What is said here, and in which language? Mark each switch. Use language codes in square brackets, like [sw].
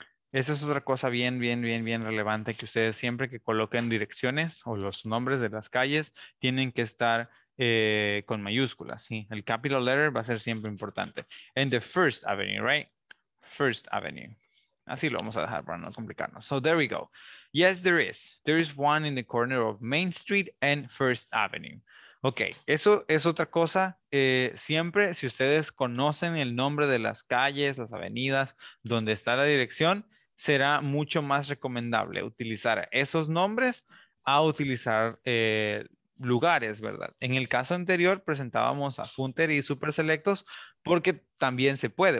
[es] Esa es otra cosa bien, bien, bien, bien relevante que ustedes siempre que coloquen direcciones o los nombres de las calles tienen que estar con mayúsculas, ¿sí? El capital letter va a ser siempre importante. [en] In the first avenue, right? First avenue. [es] Así lo vamos a dejar para no complicarnos. [en] So there we go. Yes, there is. There is one in the corner of Main Street and First Avenue. [es] Ok, eso es otra cosa. Siempre, si ustedes conocen el nombre de las calles, las avenidas, donde está la dirección, será mucho más recomendable utilizar esos nombres a utilizar lugares, ¿verdad? En el caso anterior presentábamos a Funter y Super Selectos porque también se puede.